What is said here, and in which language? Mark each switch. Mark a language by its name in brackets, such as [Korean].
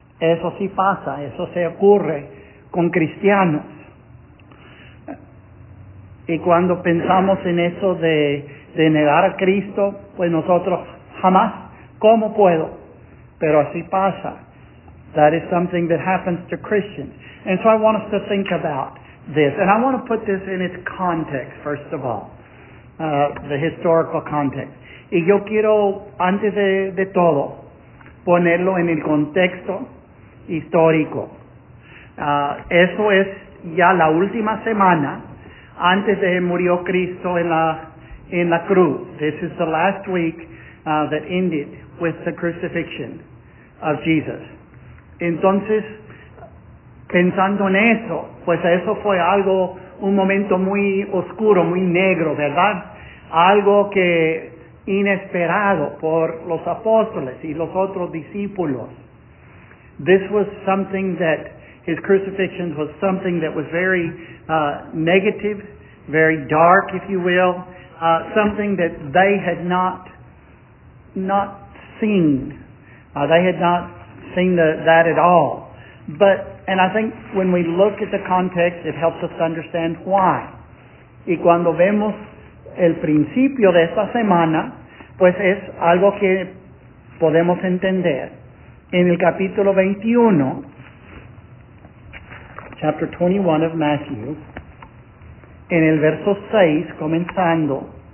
[Spanish] Eso sí pasa, eso se ocurre con cristianos. Y cuando pensamos en eso de negar a Cristo, pues nosotros jamás, ¿cómo puedo? Pero así pasa. [English] That is something that happens to Christians. And so I want us to think about this. And I want to put this in its context, first of all. The historical context. [Spanish] Y yo quiero, antes de todo, ponerlo en el contexto histórico. Eso es ya la última semana antes de murió Cristo en la cruz. [English] This is the last week that ended with the crucifixion of Jesus. [Spanish] Entonces, pensando en eso, pues eso fue algo, un momento muy oscuro, muy negro, ¿verdad? Algo que inesperado por los apóstoles y los otros discípulos. [English] This was something that, his crucifixion was something that was very negative, very dark, if you will, something that they had not seen. They had not seen that at all. But, and I think when we look at the context, it helps us understand why. [Spanish] Y cuando vemos el principio de esta semana, pues es algo que podemos entender. En el capítulo 21, [English] chapter 21 of Matthew, [Spanish] en el verso 6, comenzando,